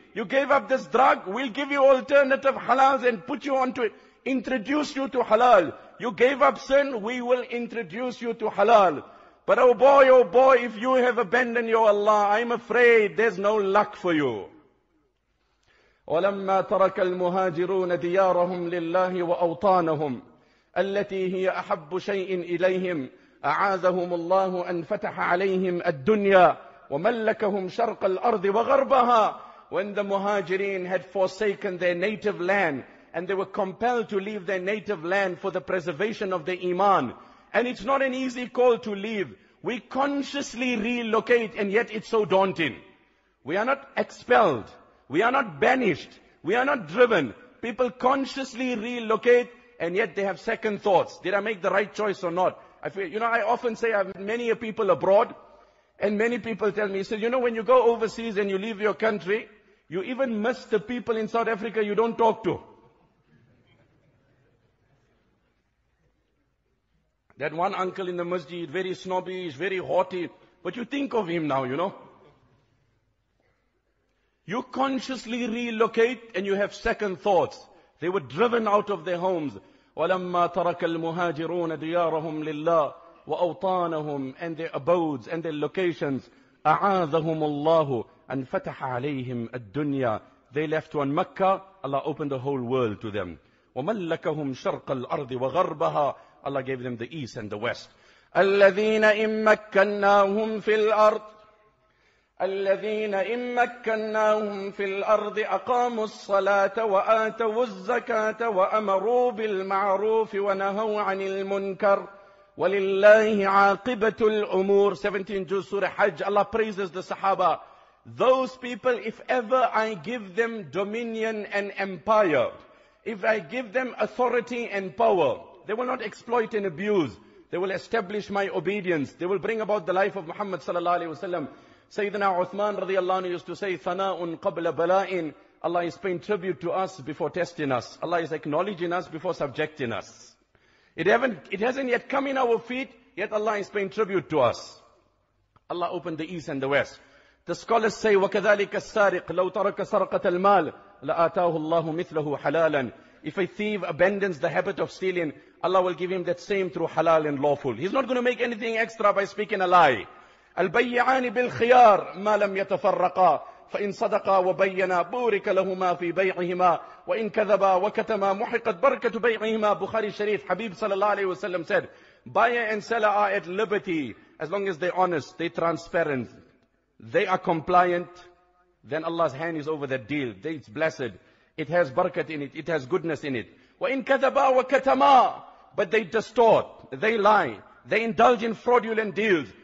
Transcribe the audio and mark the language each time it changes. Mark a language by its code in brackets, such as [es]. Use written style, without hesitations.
[en] You gave up this drug, we'll give you alternative halals and put you onto it, introduce you to halal. You gave up sin, we will introduce you to halal. But oh boy, if you have abandoned your Allah, I'm afraid there's no luck for you. [ar] وَلَمَّا تَرَكَ الْمُهَاجِرُونَ دِيَارَهُمْ لِلَّهِ وَأَوْطَانَهُمْ التي هي أحب شيء إليهم أعاذهم الله أن فتح عليهم الدنيا وملكهم شرق الأرض وغربها. [en] When the muhajirin had forsaken their native land and they were compelled to leave their native land for the preservation of their iman, and it's not an easy call to leave. We consciously relocate and yet it's so daunting. We are not expelled. We are not banished. We are not driven. People consciously relocate and yet they have second thoughts. Did I make the right choice or not? I often say I've met many people abroad, and many people tell me, so, you know, when you go overseas and you leave your country, you even miss the people in South Africa you don't talk to. That one uncle in the masjid, very snobby, he's very haughty, but you think of him now, you know. You consciously relocate and you have second thoughts. They were driven out of their homes. [ar] وَلَمَّا تَرَكَ الْمُهَاجِرُونَ دِيَارَهُمْ لِلَّهِ وَأَوْطَانَهُمْ. [en] And their abodes and their locations. [ar] أعاذهم الله أن فتح عليهم الدنيا. [en] They left on Mecca, Allah opened the whole world to them. [ar] وَمَلَّكَهُمْ شَرْقَ الْأَرْضِ وَغَرْبَهَا, [en] Allah gave them the east and the west. [ar] الَّذِينَ إِمَّكَّنَّاهُمْ فِي الْأَرْضِ الذين إن مكناهم في الأرض أقاموا الصلاة وآتوا الزكاة وأمروا بالمعروف ونهوا عن المنكر ولله عاقبة الأمور. [en] 17 [ar] جزء سورة حج. [en] Allah praises the Sahaba. Those people, if ever I give them dominion and empire, if I give them authority and power, they will not exploit and abuse. They will establish my obedience. They will bring about the life of Muhammad sallallahu alaihi wasallam. Sayyidina Uthman radiallahu anhu used to say, [ar] Thana'un qabla bala'in. [en] Allah is paying tribute to us before testing us. Allah is acknowledging us before subjecting us. It hasn't yet come in our feet, yet Allah is paying tribute to us. Allah opened the east and the west. The scholars say, [ar] وَكَذَلِكَ السَّارِقْ لَوْ تَرَكَ سَرْقَةَ الْمَالِ لَآتَاهُ اللَّهُ مِثْلَهُ حَلَالًا. [en] If a thief abandons the habit of stealing, Allah will give him that same through halal and lawful. He's not going to make anything extra by speaking a lie. [ar] البيعان بالخيار ما لم يتفرقا فإن صدقا وبينا بورك لهما في بيعهما وإن كذبا وكتما محقت بركة بيعهما. بخاري الشريف. حبيب صلى الله عليه وسلم [en] said, buyer and seller are at liberty as long as they're honest, they're transparent, they are compliant, then Allah's hand is over that deal. It's blessed. It has barakat in it. It has goodness in it. [ar] وإن كذبا وكتما, [en] but they distort, they lie, they indulge in fraudulent deals.